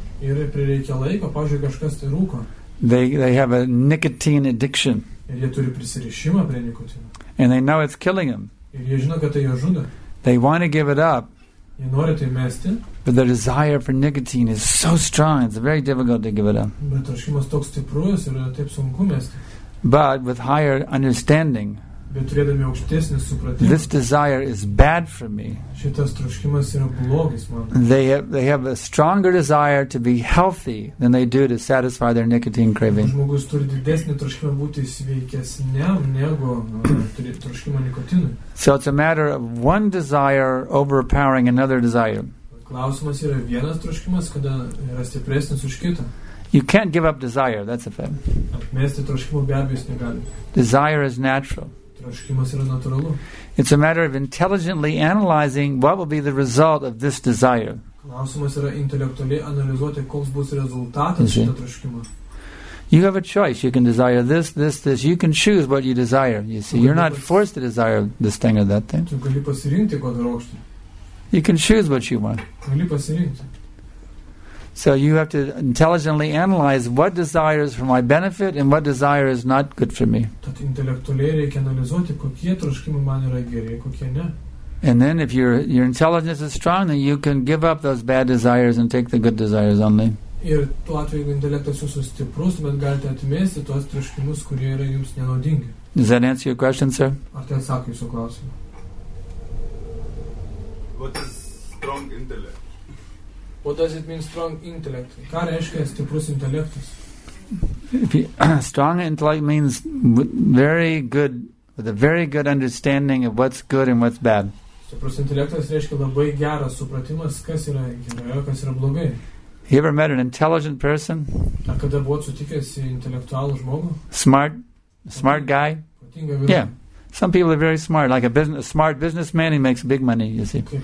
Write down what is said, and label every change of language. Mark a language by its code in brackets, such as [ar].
[lt] Ir prireikia laiko, pavyzdžiui, kažkas tai rūko. [en] They have a nicotine addiction. [lt] Ir jie turi prisirišimą prie nikotino. [en] And they know it's killing them. [lt] Ir jie žino, kad tai jie žudo. [en] They want to give it up. [lt] Jie nori tai mesti. [en] But the desire for nicotine is so strong, it's very difficult to give it up. [lt] Bet troškimas toks stiprus ir taip sunku mesti. [en] But with higher understanding, [lt] bet turėdami aukštesnį supratimą, [en] this desire is bad for me. [lt] Šitas troškimas yra blogis man. [en] They have a stronger desire to be healthy than they do to satisfy their nicotine craving. [lt] Žmogus turi didesnį troškimą būti sveikesniam negu turi troškimą nikotinui. [en] So it's a matter of one desire overpowering another desire. [lt] Klausimas yra vienas troškimas, kada yra stipresnis už kitą. [en] You can't give up desire, that's a fact. [lt] Mesti troškimo be abejo negali. [en] Desire is natural. [lt] Troškimas yra natūralu. [en] It's a matter of intelligently analyzing what will be the result of this desire. [lt] Klausimas yra intelektualiai analizuoti, koks bus rezultatas šito troškimo. [en] You have a choice. You can desire this, this, this. You can choose what you desire. You see, you're not forced to desire this thing or that thing. [lt] Tu gali pasirinkti, ko trokšti. [en] You can choose what you want. [lt] Gali pasirinkti. [en] So you have to intelligently analyze what desire is for my benefit and what desire is not good for me. [lt] Tad intelektualiai reikia analizuoti, kokie troškimai man yra geri, kokie ne. [en] And then if your intelligence is strong, then you can give up those bad desires and take the good desires only. [lt] Ir tuo atveju, jeigu intelektas jūsų stiprus, bet galite atmesti tuos troškimus, kurie yra jums nenaudingi. [en] Does that answer your question, sir? [lt] Ar tai atsako jūsų klausimą? [en] What is strong intellect? What does it mean, strong intellect? [lt] Ką reiškia stiprus intelektas? [en] Strong intellect means very good, with a very good understanding of what's good and what's bad. [lt] Stiprus intelektas reiškia labai geras supratimas, kas yra gerai, kas yra blogai. [en] You ever met an intelligent person? [lt] Ar kada buvot sutikęs intelektualų žmogų? [en] Smart guy? Yeah. Some people are very smart, like a smart businessman, he makes big money, you see.